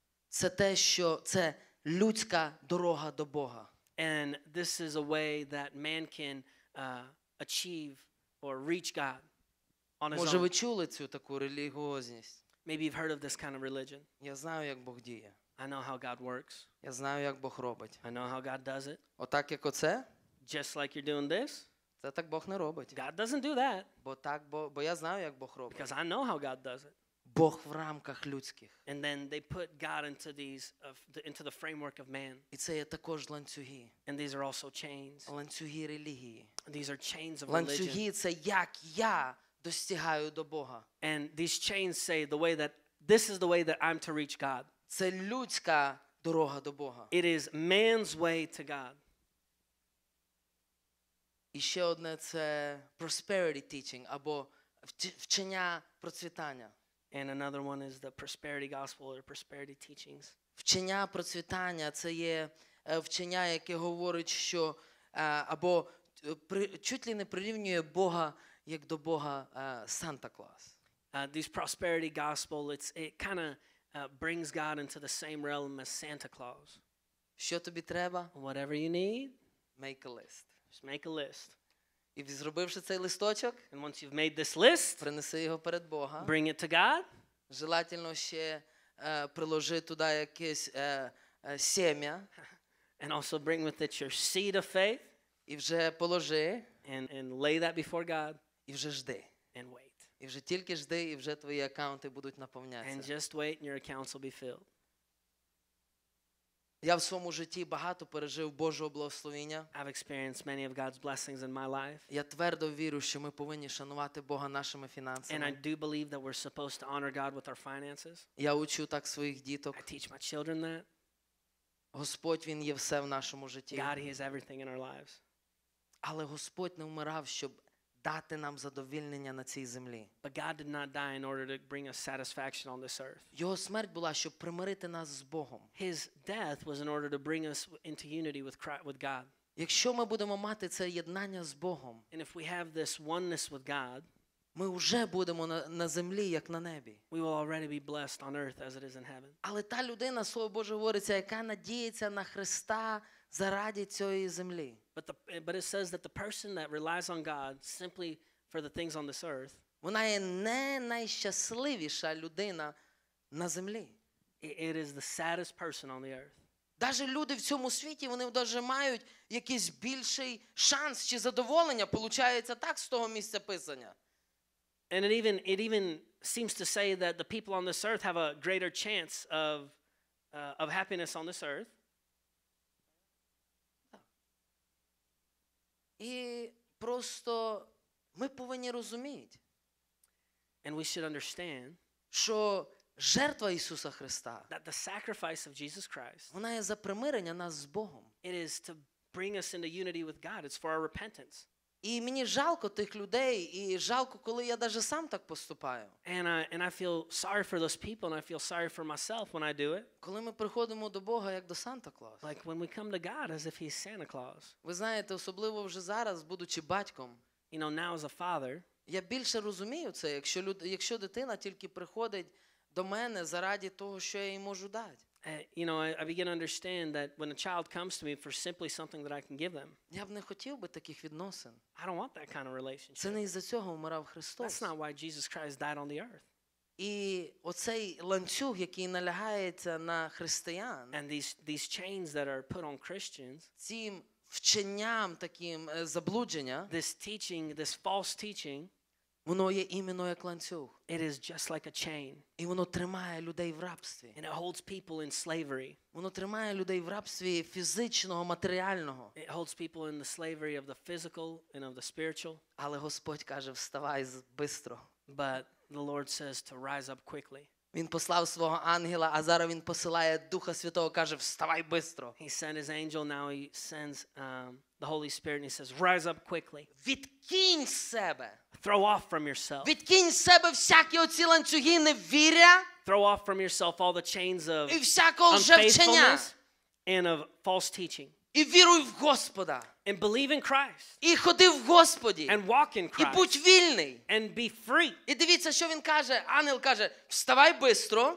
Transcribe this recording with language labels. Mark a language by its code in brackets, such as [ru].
[uk] Це те, що це людська дорога до Бога. [en] And this is a way that man can achieve or reach God on his own. [uk] Може ви чули цю таку релігіозність? [en] Maybe you've heard of this kind of religion. [uk] Я знаю, як Бог діє. [en] I know how God works. [uk] Я знаю, як Бог робить. [en] I know how God does it. [uk] Отак, як оце? [en] Just like you're doing this. [uk] Це так Бог не робить. [en] God doesn't do that. [uk] Бо так, бо я знаю, як Бог робить. [en] Because I know how God does it. [uk] Бог в рамках людських. [en] And then they put God into these into the framework of man. [uk] І це є також ланцюги. [en] And these are also chains. [uk] Ланцюги релігії. [en] These are chains of [uk] ланцюги [en] religion. [uk] Ланцюги – це як я достигаю до Бога. [en] And these chains say the way that this is the way that I'm to reach God. [uk] Це людська дорога до Бога. [en] It is man's way to God. [uk] І ще одне – це [en] prosperity teaching, [uk] або вчення процвітання. [en] And another one is the prosperity gospel or prosperity teachings. [uk] Вчення процвітання – це є вчення, яке говорить, що або [ru] чуть ли не [uk] прирівнює Бога, як до Бога Санта-Клаус. [en] This prosperity gospel, it kind of brings God into the same realm as Santa Claus. [uk] Що тобі треба? [en] Whatever you need, make a list. Just make a list. [uk] І зробивши цей листочок, [en] and once you've made this list, [uk] принеси його перед Бога. [en] Bring it to God. [uk] Желательно ще приложи туди якесь сім'я. [en] And also bring with it your seed of faith. [uk] І вже положи. [en] And lay that before God. [uk] І вже жди. [en] And wait. [uk] І вже тільки жди, і вже твої акаунти будуть наповнятися. [en] And just wait and your accounts will be filled. [uk] Я в своєму житті багато пережив Божого благословення. [en] I've experienced many of God's blessings in my life. [uk] Я твердо вірю, що ми повинні шанувати Бога нашими фінансами. [en] And I do believe that we're supposed to honor God with our finances. [uk] Я учу так своїх діток. [en] I teach my children that. [uk] Господь, Він є все в нашому житті. [en] God, He is everything in our lives. [uk] Але Господь не вмирав, щоб дати нам задовільнення на цій землі. [en] But God did not die in order to bring us satisfaction on this earth. [uk] Його смерть була, щоб примирити нас з Богом. [en] His death was in order to bring us into unity with Christ, with God. [uk] Якщо ми будемо мати це єднання з Богом, [en] and if we have this oneness with God, [uk] ми вже будемо на землі, як на небі. [en] We will already be blessed on earth as it is in heaven. [uk] Але та людина, Слово Боже говориться, яка надіється на Христа заради цієї землі. [en] But it says that the person that relies on God simply for the things on this earth, [uk] вона є не найщасливіша людина на землі. [en] It is the saddest person on the earth. [uk] Даже люди в цьому світі, вони даже мають якийсь більший шанс чи задоволення, получається так з того місця писання. [en] And it even seems to say that the people on this earth have a greater chance of happiness on this earth. [uk] І просто ми повинні розуміти. [en] And we should understand, [uk] що жертва Ісуса Христа, [en] that the sacrifice of Jesus Christ, [uk] вона є за примирення нас з Богом. [en] It is to bring us into unity with God. It's for our repentance. [uk] І мені жалко тих людей, і жалко, коли я даже сам так поступаю. [en] And I feel sorry for those people, and I feel sorry for myself when I do it. [uk] Коли ми приходимо до Бога, як до Санта-Клауса. [en] Like when we come to God as if he's Santa Claus. [uk] Ви знаєте, особливо вже зараз, будучи батьком. [en] You know, now as a father. [uk] Я більше розумію це, якщо дитина тільки приходить до мене заради того, що я їй можу дати. [en] You know, I begin to understand that when a child comes to me for simply something that I can give them, [uk] я б не хотів би таких відносин. [en] I don't want that kind of relationship. [uk] Це не із-за цього вмирав Христос. [en] That's not why Jesus Christ died on the earth. [uk] І оцей ланцюг, який налягається на християн, [en] and these chains that are put on Christians, [uk] цим вченням таким заблудження, [en] this teaching, this false teaching, [uk] воно є іменно як ланцюг. [en] It is just like a chain. [uk] І воно тримає людей в рабстві. [en] And it holds people in slavery. [uk] Воно тримає людей в рабстві фізичного, матеріального. [en] It holds people in the slavery of the physical and of the spiritual. [uk] Але Господь каже: "Вставай швидко". [en] But the Lord says to rise up quickly. [uk] Він послав свого ангела, а зараз він посилає Духа Святого, каже: "Вставай швидко". [en] He sent his angel, now he sends the Holy Spirit, and he says, "Rise up quickly." [uk] Відкинь себе. [en] Throw off from yourself. [uk] Відкинь себе всякі оці ланцюги невір'я. [en] Throw off from yourself all the chains of [uk] і всякого лжевчення [en] and of false teaching. [uk] І віруй в Господа. [en] And believe in Christ. [uk] І ходи в Господі. [en] And walk in Christ. [uk] І будь вільний. [en] And be free. [uk] І дивіться, що він каже. Ангел каже: "Вставай швидко".